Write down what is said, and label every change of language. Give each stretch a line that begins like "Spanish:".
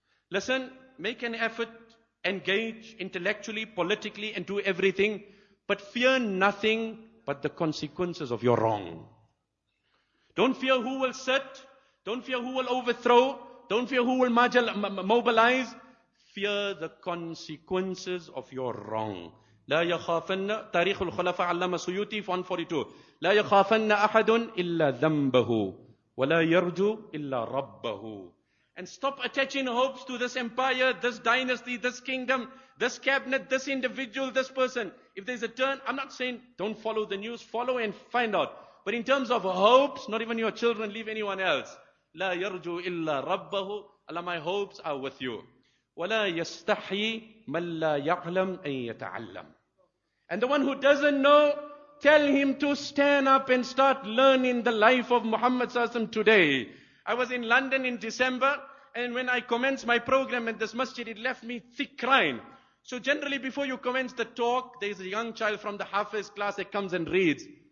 English: Listen, make an effort, engage intellectually, politically, and do everything, but fear nothing but the consequences of your wrong. Don't fear who will sit. Don't fear who will overthrow. Don't fear who will mobilize. Fear the consequences of your wrong.
Arabic: لا يخافن تاريخ الخلفاء علامة سيوطي 142 لا يخافن أحد إلا ذنبه ولا يرجو إلا ربه.
English: And stop attaching hopes to this empire, this dynasty, this kingdom, this cabinet, this individual, this person. If there's a turn, I'm not saying don't follow the news, follow and find out. But in terms of hopes, not even your children, leave anyone else.
Arabic: لا يرجو إلا ربه.
English: Allah, my hopes are with you.
Arabic: ولا يستحي من لا يعلم أن يتعلم.
English: And the one who doesn't know, tell him to stand up and start learning the life of Muhammad sallallahu alaihi wasallam today. I was in London in December, and when I commenced my program at this masjid, it left me thick crying. So generally, before you commence the talk, there is a young child from the Hafiz class that comes and reads.